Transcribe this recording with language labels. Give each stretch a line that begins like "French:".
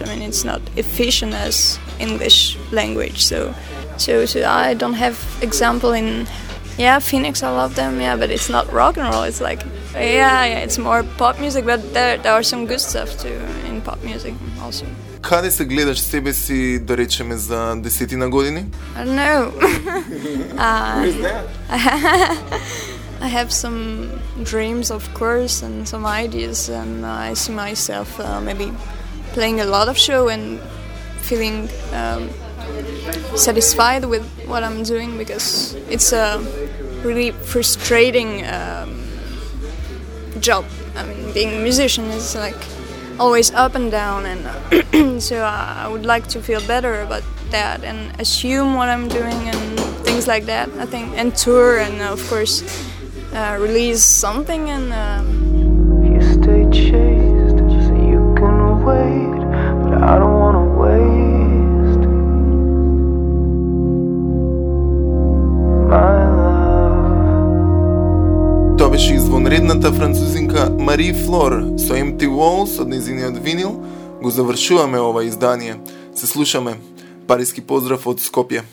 English: I mean, it's not efficient as English language, so I don't have example in, yeah, Phoenix, I love them, yeah, but it's not rock and roll, it's like, yeah, it's more pop music, but there are some good stuff too in pop music also.
Macedonian: Каде се гледаш себе си, да речеме, за десетина години?
English: I don't know. Who is that? I have some dreams, of course, and some ideas, and I see myself maybe playing a lot of show and feeling satisfied with what I'm doing, because it's a really frustrating job. I mean, being a musician is like always up and down, and so I would like to feel better about that and assume what I'm doing and things like that, I think, and tour, and of course release something. And if you stay chased, so you can wait, but I don't want to waste my love.
Macedonian: Тоа беше извонредната французинка Мари Флор со Empty Walls од нејзиниот винил. Го завршуваме ова издание. Се слушаме. Парижски поздрав од Скопје.